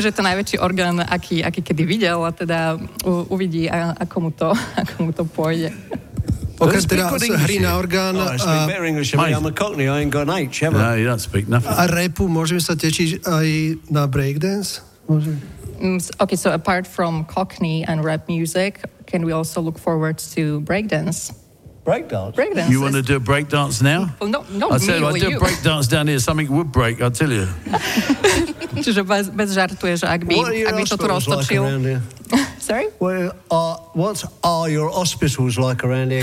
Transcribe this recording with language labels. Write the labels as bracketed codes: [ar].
[sk] Že to najväčší orgán, aký kedy videl, a teda uvidí, ako mu to pôjde. Okrem teda hry na orgán... [en] I'm a cockney, I ain't got an H, ever. No, you don't speak nothing. [sk] A repu, môžeme sa tešiť aj na breakdance? [en] Okay, so apart from cockney and rap music... Can we also look forward to breakdance? You want to do a breakdance now? Well, no, I do a breakdance down here, something would break, I tell you. [sk] Čiže bez žartu je, že ak by to tu roztočil... [en] What are your hospitals like around here?